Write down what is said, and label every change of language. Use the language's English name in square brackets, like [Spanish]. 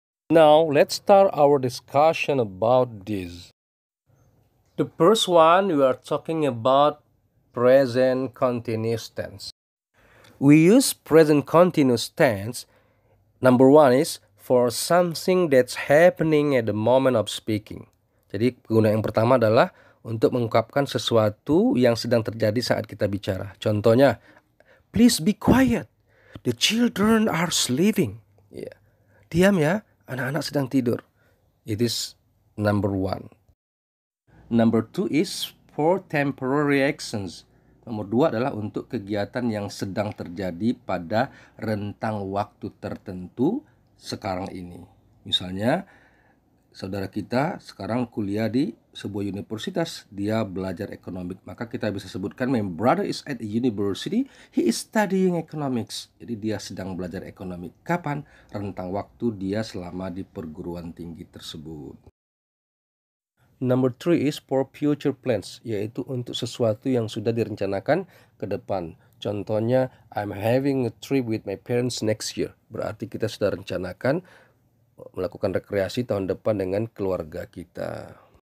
[English] Now, let's start our discussion about this. The first one, we are talking about present continuous tense. We use present continuous tense, number one is, for something that's happening at the moment of speaking. [Indonesian] Jadi, penggunaan yang pertama adalah untuk mengungkapkan sesuatu yang sedang terjadi saat kita bicara. [English] Contohnya, please be quiet. The children are sleeping. Yeah. [Indonesian] Diam ya, anak-anak sedang tidur. [English] It is number one. Number two is for temporary actions. [Indonesian] Nomor dua adalah untuk kegiatan yang sedang terjadi pada rentang waktu tertentu sekarang ini. Misalnya, saudara kita sekarang kuliah di sebuah universitas. Dia belajar ekonomi. Maka kita bisa sebutkan, [English] my brother is at a university. He is studying economics. [Indonesian] Jadi dia sedang belajar ekonomi. Kapan? Rentang waktu dia selama di perguruan tinggi tersebut. [English] Number three is for future plans. [Indonesian] Yaitu untuk sesuatu yang sudah direncanakan ke depan. [English] Contohnya, I'm having a trip with my parents next year. [Indonesian] Berarti kita sudah rencanakan melakukan rekreasi tahun depan dengan keluarga kita.